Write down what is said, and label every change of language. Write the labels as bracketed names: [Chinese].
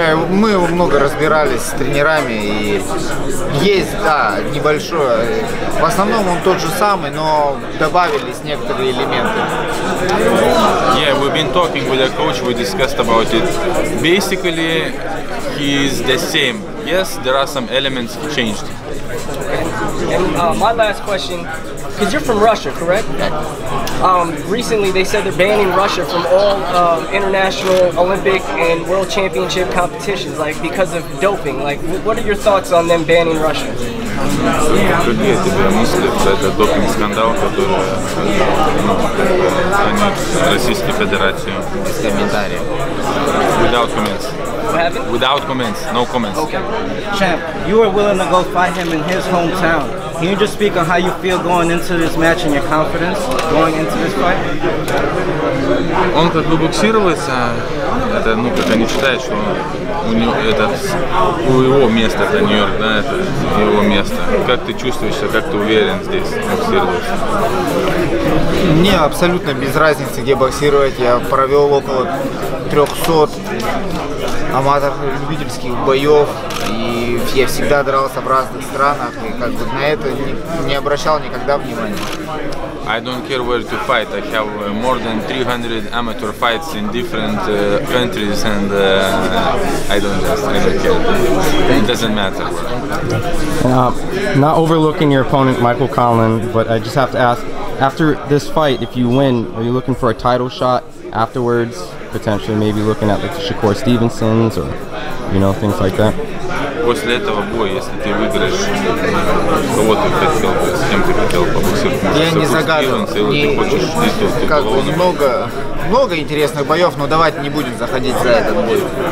[Russian] Мы много разбирались с тренерами, и есть, да, небольшое. В основном он тот же самый, но добавились некоторые элементы. [English] Yeah, we've been talking with a coach, we discussed about it. Basically, he is the same. Yes, there are some elements he changed. And my last question. Because you're from Russia, correct? Yeah. Recently, they said they're banning Russia from all international Olympic and world championship competitions, like because of doping. Like, what are your thoughts on them banning Russia? [Russian] Какие тебе мысли про этот допинг-скандал, который они в Российской Федерации? Без комментариев. [English] Without comments. What happened? Without comments. No comments. Okay. Champ, you were willing to go fight him in his hometown. Can you just speak on how you feel going into this match and your confidence going into this fight? [Russian] Он как бы боксировался, это, ну, как они считают, что у него, это, у его места, это Нью-Йорк, да, это его место. Как ты чувствуешься, как ты уверен здесь боксировался? Мне абсолютно без разницы, где боксировать, я провел около 300 аматорско-любительских боев. Я всегда дрался в разных странах и как бы на это не обращал никогда внимания. [English] I don't care where to fight. I have more than 300 amateur fights in different countries and I don't just I don't care. It doesn't matter. Not overlooking your opponent Michael Conlon, but I just have to ask, after this fight, if you win, are you looking for a title shot afterwards? Potentially maybe looking at like Shakur Stevenson's or you know, things like that. [Russian] После этого боя, если ты выиграешь, кого ты хотел бы, с кем ты хотел побоксировать? Я не загадываю, как бы много интересных боев, но давайте не будем заходить за этот бой.